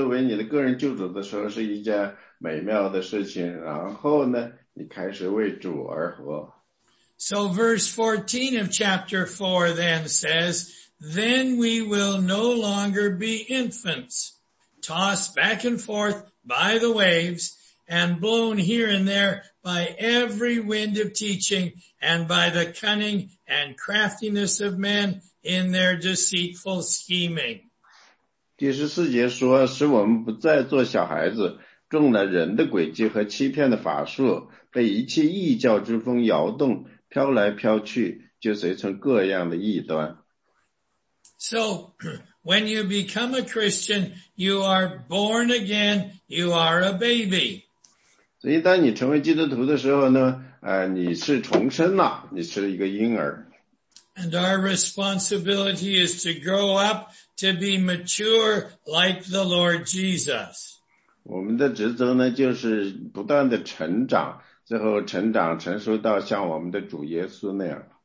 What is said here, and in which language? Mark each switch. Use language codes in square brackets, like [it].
[zh] 因为当你信了主耶稣为你的个人救主的时候, 是一件美妙的事情, 然后呢, 你开始为主而活。 [en] So verse 14 of chapter 4 then says, then we will no longer be infants, tossed back and forth by the waves and blown here and there by every wind of teaching and by the cunning and craftiness of men in their deceitful scheming. [zh] 第十四节说, 使我们不再做小孩子, 中了人的诡计和欺骗的法术, 被一切异教之风摇动, 飘来飘去, 就随从各样的异端。 [en] So, when you become a Christian, you are born again, you are a baby. [zh] 所以当你成为基督徒的时候呢, 你是重生了, 你是一个婴儿。 [en] And our responsibility is to grow up to be mature like the Lord Jesus. [zh] 我们的职责呢, 就是不断地成长, 最后成长成熟到像我们的主耶稣那样。